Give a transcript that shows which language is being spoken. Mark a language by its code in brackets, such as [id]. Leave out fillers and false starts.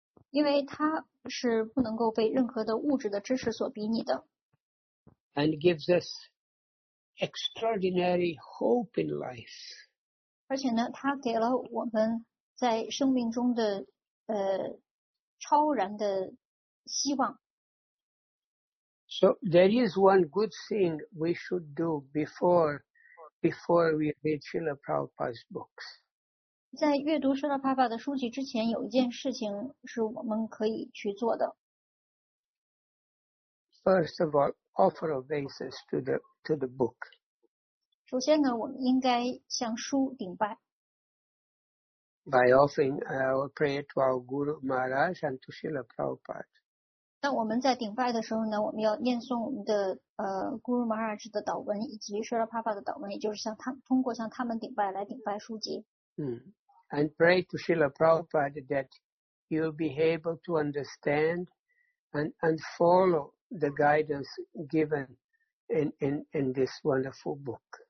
[zh] 因为它是不能够被任何的物质的知识所比拟的。 [en] And gives us extraordinary hope in life. [zh] 而且呢，它给了我们在生命中的超然的希望。 [en] So there is one good thing we should do before we read Srila Prabhupada's books. [zh] 在阅读 Srila Prabhupada 的书籍之前，有一件事情是我们可以去做的。 [en] First of all, offer obeisance to the book. [zh] 首先呢，我们应该向书顶拜。 [en] By offering our prayer to our Guru Maharaj and to Srila Prabhupada. [zh] 那我们在顶拜的时候呢，我们要念诵我们的Guru Maharaj 的祷文，以及 Srila Prabhupada 的祷文，也就是通过向他们顶拜来顶拜书籍。 [en] And pray to Srila Prabhupada that you will be able to understand and follow the guidance given in this wonderful book.